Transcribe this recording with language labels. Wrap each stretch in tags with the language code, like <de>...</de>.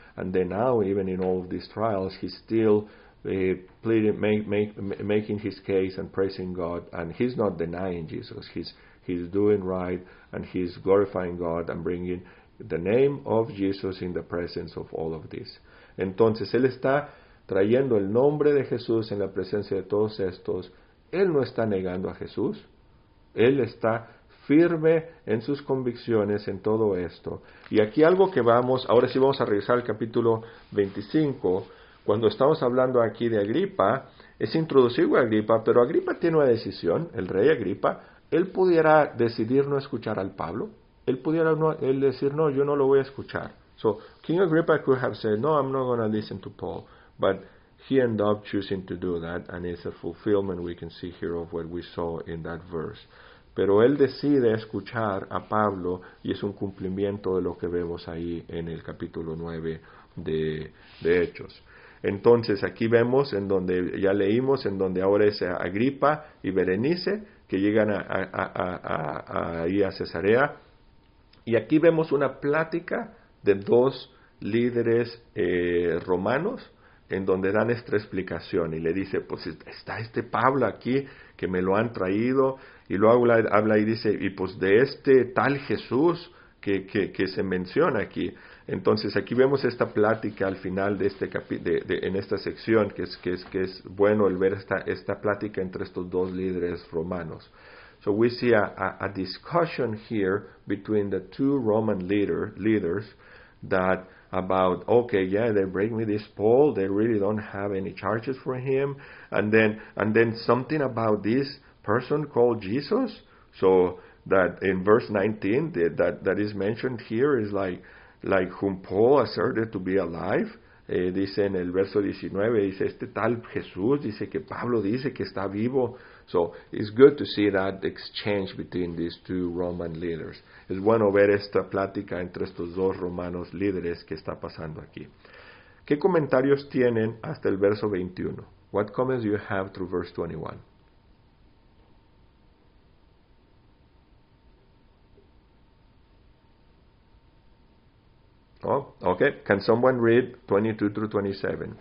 <en>And then now, even in all of these trials, he's still making his case and praising God, and he's not denying Jesus. He's doing right, and he's glorifying God and bringing the name of Jesus in the presence of all of this.</en> <es>Entonces, él está trayendo el nombre de Jesús en la presencia de todos estos. Él no está negando a Jesús. Él está firme en sus convicciones en todo esto. Y aquí algo que vamos, ahora sí vamos a regresar al capítulo 25. Cuando estamos hablando aquí de Agripa, es introducido a Agripa, pero Agripa tiene una decisión, el rey Agripa. Él pudiera decidir no escuchar al Pablo. Él pudiera él decir, no, yo no lo voy a escuchar.</es> <en>So, King Agrippa could have said, no, I'm not going to listen to Paul. But he ended up choosing to do that, and it's a fulfillment we can see here of what we saw in that verse.</en> <es>Pero él decide escuchar a Pablo, y es un cumplimiento de lo que vemos ahí en el capítulo 9 de Hechos. Entonces aquí vemos en donde ya leímos, en donde ahora es Agripa y Berenice que llegan a Cesarea. Y aquí vemos una plática de dos líderes romanos en donde dan esta explicación. Y le dice, pues está este Pablo aquí que me lo han traído. Y luego habla y dice, y pues de este tal Jesús que se menciona aquí. Entonces aquí vemos esta plática al final de este en esta sección, que es bueno el ver esta plática entre estos dos líderes romanos.</es> <en>So we see a discussion here between the two Roman leaders that about, okay, yeah, they bring me this Paul, they really don't have any charges for him, and then something about this person called Jesus. So that in verse 19 that is mentioned here is like whom Paul asserted to be alive.</en> <es>Dice en el verso 19, dice este tal Jesús, dice que Pablo dice que está vivo.</es> <en>So it's good to see that exchange between these two Roman leaders.</en> <es>Es bueno ver esta plática entre estos dos romanos líderes que está pasando aquí. ¿Qué comentarios tienen hasta el verso 21?</es> <en>What comments do you have through verse 21? Oh, okay. Can someone read 22 through 27?</en>